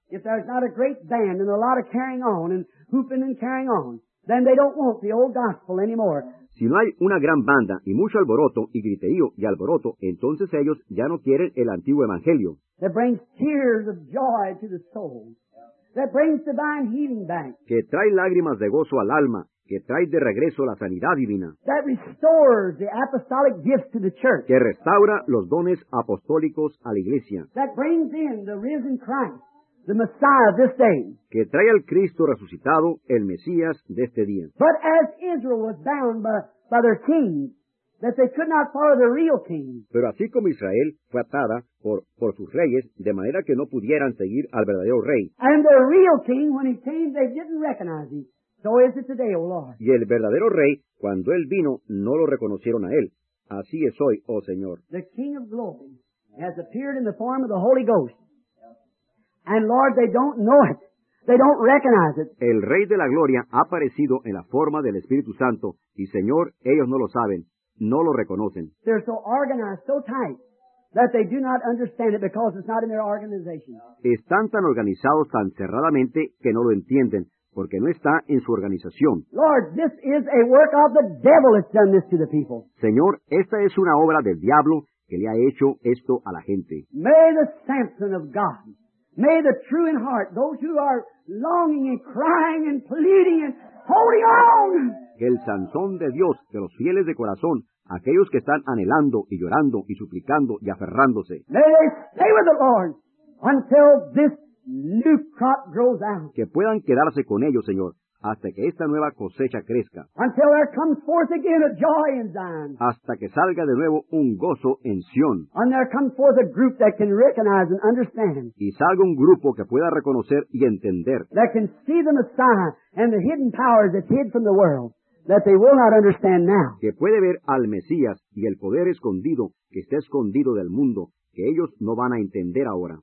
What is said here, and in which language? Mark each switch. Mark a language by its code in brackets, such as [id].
[en] If there's not a great band and a lot of carrying on and hooping and carrying on, then they don't want the old gospel anymore. [es] Si no hay una gran banda y mucho alboroto y griterío y alboroto, entonces ellos ya no quieren el antiguo evangelio. [en] That brings tears of joy to the soul. That brings divine healing back. [es] Que trae lágrimas de gozo al alma, que trae de regreso la sanidad divina. [en] That restores the apostolic gifts to the church. [es] Que restaura los dones apostólicos a la iglesia. [en] That brings in the risen Christ, the Messiah of this day. [es] Que trae al Cristo resucitado, el Mesías de este día. [en] But as Israel was bound by their king, that they could not follow the real king. [es] Pero así como Israel fue atada por sus reyes, de manera que no pudieran seguir al verdadero rey. [en] And the real king, when he came, they didn't recognize him. So is it today, O Lord. [es] Y el verdadero rey, cuando él vino, no lo reconocieron a él. Así es hoy, oh Señor. [en] The King of glory has appeared in the form of the Holy Ghost. And Lord, they don't know it. They don't recognize it. [es] El rey de la gloria ha aparecido en la forma del Espíritu Santo, y Señor, ellos no lo saben. No lo reconocen. [en] They're so organized, so tight, that they do not understand it because it's not in their organization. [es] Están tan organizados tan cerradamente que no lo entienden, porque no está en su organización. [en] Lord, this is a work of the devil that's done this to the people. [es] Señor, esta es una obra del diablo que le ha hecho esto a la gente. [en] May the Samson of God, may the true in heart, those who are longing and crying and pleading and holding on. [es] Que el Sansón de Dios, de los fieles de corazón, aquellos que están anhelando y llorando y suplicando y aferrándose. [en] May they stay with the Lord until this new crop grows out. [es] Que puedan quedarse con ellos, Señor, hasta que esta nueva cosecha crezca. [en] Until there comes forth again a joy in Zion. [es] Hasta que salga de nuevo un gozo en Sion. [en] And there comes forth a group that can recognize and understand. [es] Y salga un grupo que pueda reconocer y entender. [en] That can see the Messiah and the hidden powers that's hid from the world that they will not understand now. [es] Que puede ver al Mesías y el poder escondido que está escondido del mundo que ellos no van a entender ahora.